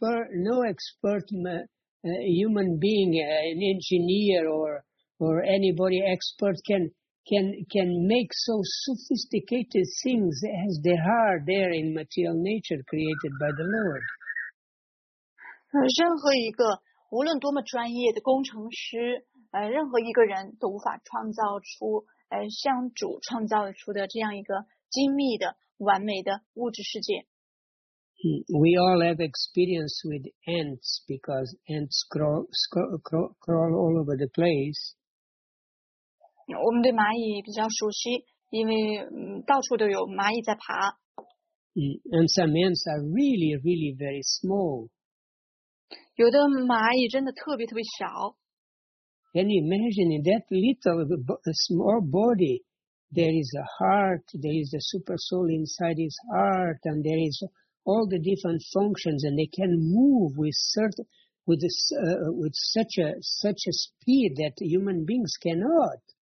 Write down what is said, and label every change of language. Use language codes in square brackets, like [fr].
[en] No expert human being, an engineer or anybody expert can make so sophisticated things as they are there in material nature created by the Lord. [zh] 任何一个无论多么专业的工程师，任何一个人都无法创造出像主创造出的这样一个精密的完美的物质世界。 [en] We all have experience with ants because ants crawl all over the place. [zh] 我们对蚂蚁比较熟悉，因为到处都有蚂蚁在爬。 [en] And some ants are really, really very small. [zh] 有的蚂蚁真的特别特别小。 [en] Can you imagine in that little small body, there is a heart, there is a super soul inside his heart, and there is all the different functions, and they can move with certain, with such a speed that human beings cannot.